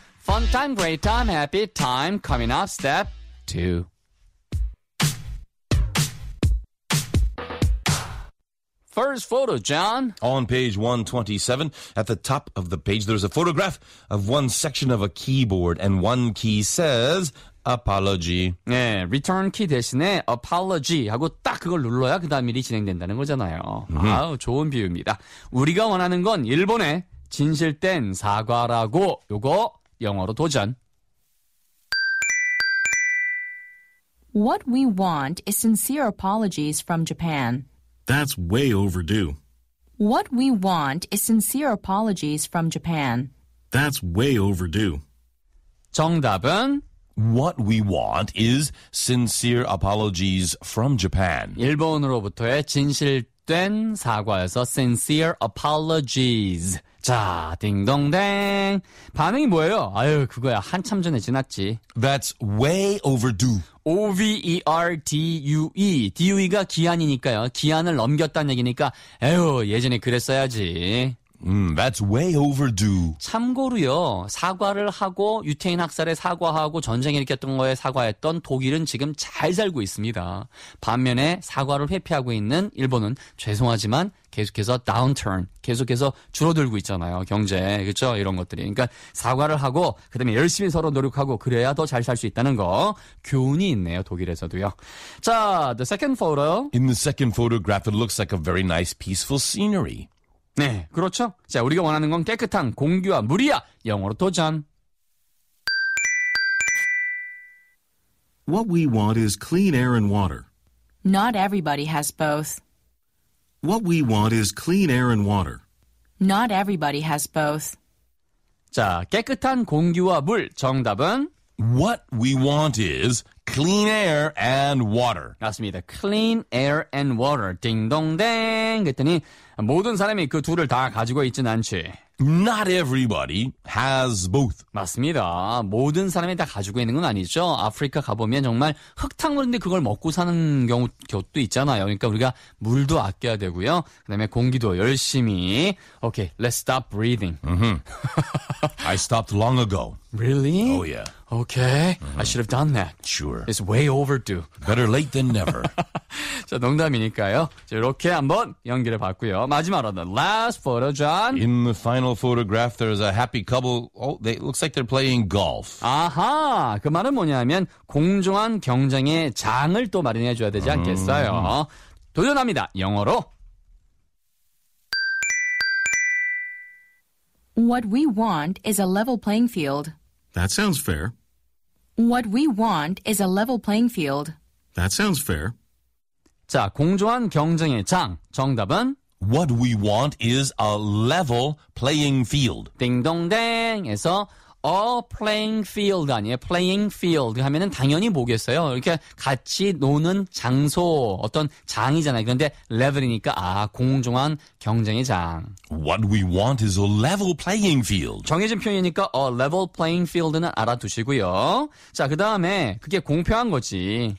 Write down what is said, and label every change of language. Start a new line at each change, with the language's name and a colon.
English: Fun time, great time, happy time. Coming up, step two. first photo, John? On page 127, at the top of the page, there's a photograph of one section of a keyboard, and one key says apology.
Korean: 네, return key 대신에 apology 하고 딱 그걸 눌러야 그 다음 일이 진행된다는 거잖아요. Mm-hmm. 아우, 좋은 비유입니다. 우리가 원하는 건 일본의 진실된 사과라고, 요거 영어로 도전.
English: What we want is sincere apologies from Japan. That's way overdue. What we want is sincere apologies from Japan. That's way overdue.
Korean: 정답은?
English: What we want is sincere apologies from Japan.
Korean: 일본으로부터의 진실된 사과에서
English: sincere apologies.
Korean: 자, 딩동댕. 반응이 뭐예요? 아유, 그거야. 한참 전에 지났지.
English: That's way overdue. O-V-E-R-D-U-E.
Korean: D-U-E가 기한이니까요. 기한을 넘겼다는 얘기니까 에휴, 예전에 그랬어야지.
English: That's way overdue.
Korean: 참고로요. 사과를 하고 유태인 학살에 사과하고 전쟁을 일으켰던 거에 사과했던 독일은 지금 잘 살고 있습니다. 반면에 사과를 회피하고 있는 일본은 죄송하지만 계속해서 downturn, 계속해서 줄어들고 있잖아요. 경제, 그렇죠? 이런 것들이. 그러니까 사과를 하고 그다음에 열심히 서로 노력하고 그래야 더 잘 살 수 있다는 거. 교훈이 있네요, 독일에서도요.
English: 자, the second photo. In the second photograph, it looks like a very nice peaceful scenery.
Korean: 네, 그렇죠. 자, 우리가 원하는 건 깨끗한 공기와 물이야. 영어로 도전.
English: What we want is clean air and water. Not everybody has both. What we want is clean air and water. Not everybody has both.
Korean: 자, 깨끗한 공기와 물. 정답은?
English: What we want is clean air and water.
Korean: 맞습니다.
English: Clean air and water.
Korean: 딩동댕. 그랬더니 모든 사람이 그 둘을 다 가지고 있진 않지.
English: Not everybody has both.
Korean: 맞습니다. 모든 사람이 다 가지고 있는 건 아니죠. 아프리카 가보면 정말 흙탕물인데 그걸 먹고 사는 경우도 있잖아요. 그러니까 우리가 물도 아껴야 되고요. 그다음에 공기도 열심히.
English: Okay, let's stop breathing. Mm-hmm. I stopped long ago. Really? Oh, yeah. Okay, mm-hmm. I should have done that. Sure. It's way overdue. Better late than never.
Korean: 자, 농담이니까요. 자, 이렇게 한번 연결해 봤고요. 마지막으로,
English: the last photo, John. In the final photograph, there's a happy couple. Oh, they looks like they're playing golf.
Korean: 아하, 그 말은 뭐냐면 공정한 경쟁의 장을 또 마련해 줘야 되지 않겠어요? 도전합니다, 영어로.
English: What we want is a level playing field. That sounds fair. What we want is a level playing field. That sounds fair.
Korean: 자, 공정한 경쟁의 장. 정답은?
English: What we want is a level playing field.
Korean: 딩동댕에서 a playing field 아니에요. Playing field 하면은 당연히 뭐겠어요. 이렇게 같이 노는 장소, 어떤 장이잖아요. 그런데 level이니까 아, 공정한 경쟁의 장. What we want is a level playing field. 정해진 표현이니까
English: a level playing field
Korean: 는 알아두시고요. 자, 그 다음에 그게 공평한 거지.